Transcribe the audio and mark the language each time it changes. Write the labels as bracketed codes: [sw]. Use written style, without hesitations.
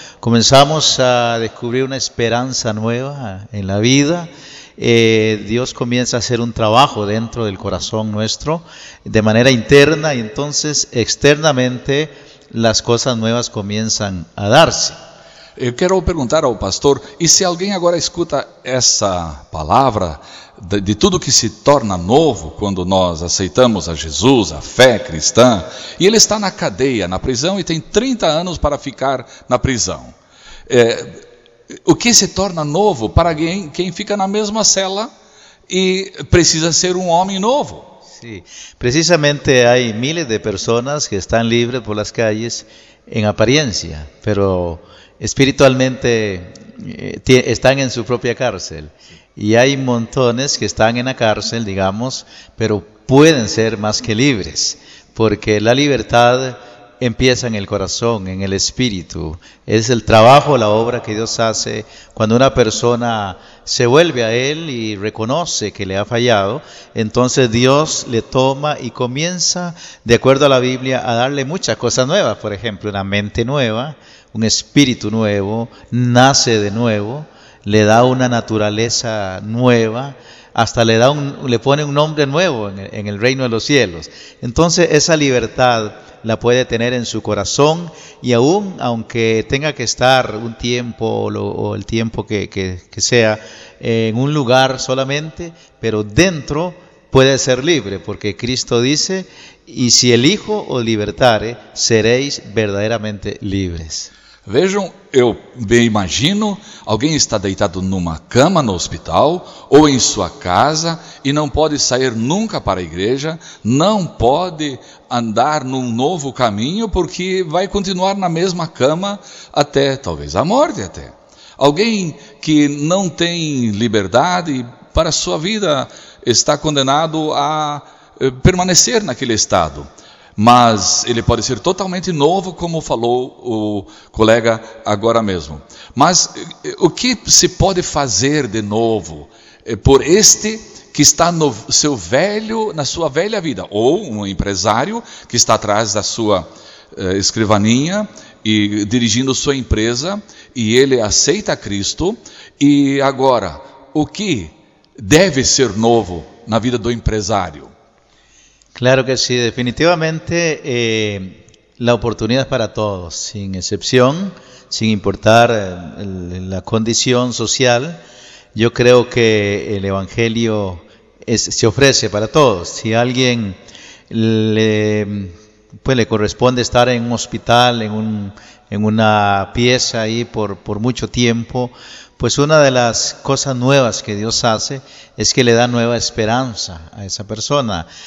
[es] Comenzamos a descubrir una esperanza nueva en la vida. Dios comienza a hacer un trabajo dentro del corazón nuestro, de manera interna, y entonces externamente las cosas nuevas comienzan a darse. Yo quiero preguntar al pastor, y si alguien ahora escucha esa palabra de [pt] tudo que se torna novo quando nós aceitamos a Jesus, a fé cristã, e ele está na cadeia, na prisão, e tem 30 anos para ficar na prisão. O que se torna novo para alguém, quem fica na mesma cela e precisa ser um homem novo? Sim, precisamente há miles de pessoas que estão livres por as calles em aparência, mas espiritualmente estão em sua própria cárcel. [es] Y hay montones que están en la cárcel, digamos, pero pueden ser más que libres, porque la libertad empieza en el corazón, en el espíritu. Es el trabajo, la obra que Dios hace cuando una persona se vuelve a Él y reconoce que le ha fallado. Entonces Dios le toma y comienza, de acuerdo a la Biblia, a darle muchas cosas nuevas. Por ejemplo, una mente nueva, un espíritu nuevo, nace de nuevo, le da una naturaleza nueva. Hasta le pone un nombre nuevo en el reino de los cielos. Entonces esa libertad la puede tener en su corazón, y aunque tenga que estar un tiempo o el tiempo que sea en un lugar solamente, pero dentro puede ser libre, porque Cristo dice: y si el Hijo os libertare, seréis verdaderamente libres. [pt] Vejam, eu me imagino, alguém está deitado numa cama no hospital ou em sua casa e não pode sair nunca para a igreja, não pode andar num novo caminho porque vai continuar na mesma cama até talvez a morte até. Alguém que não tem liberdade para sua vida está condenado a permanecer naquele estado. Mas ele pode ser totalmente novo, como falou o colega agora mesmo. Mas o que se pode fazer de novo por este que está no seu velho, na sua velha vida? Ou um empresário que está atrás da sua escrivaninha e dirigindo sua empresa, e ele aceita Cristo. E agora, o que deve ser novo na vida do empresário? [es] Claro que sí, definitivamente la oportunidad es para todos, sin excepción, sin importar la condición social. Yo creo que el Evangelio se ofrece para todos. Si a alguien le corresponde estar en un hospital, en una pieza ahí por mucho tiempo, pues una de las cosas nuevas que Dios hace es que le da nueva esperanza a esa persona.